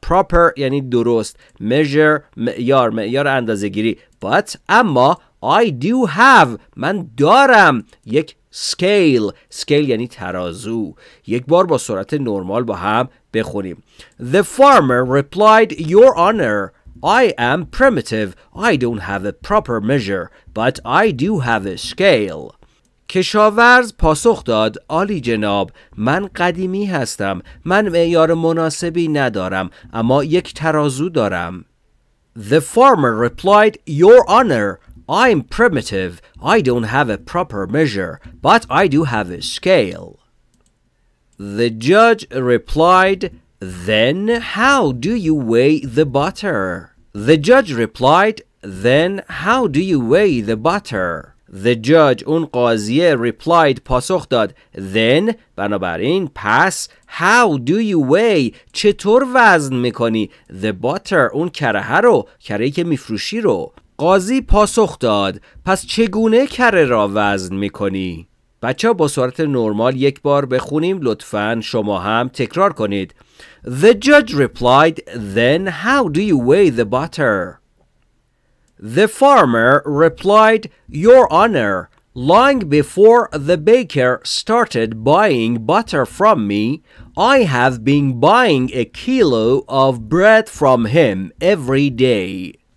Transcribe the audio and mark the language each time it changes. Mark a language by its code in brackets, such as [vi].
[fa] Proper یعنی درست. Measure معیار، معیار اندازه گیری. [en] But [fa] اما [en] I do have، [fa] من دارم یک [en] scale. [fa] Scale یعنی ترازو. یک بار با صورت نرمال با هم بخونیم. [en] The farmer replied, Your honor, I am primitive. I don't have a proper measure, but I do have a scale. [fa] کشاورز پاسخ داد، عالی جناب، من قدیمی هستم، من معیار مناسبی ندارم، اما یک ترازو دارم. [en] The farmer replied, Your honor, I'm primitive. I don't have a proper measure, but I do have a scale. The judge replied, Then how do you weigh the butter? The judge replied, Then how do you weigh the butter? The judge, [fa] اون قاضیه replied, پاسخ داد, Then, بنابراین, پس, [en] How do you weigh, [fa] چطور وزن میکنی, The butter, اون کره رو, کره که میفروشی رو. قاضی پاسخ داد, پس چگونه کره را وزن میکنی؟ بچه ها با صورت نرمال یک بار بخونیم، لطفاً شما هم تکرار کنید. [en] The judge replied, Then how do you weigh the butter? The farmer replied, Your honor, long before the baker started buying butter from me, I have been buying a kilo of bread from him every day.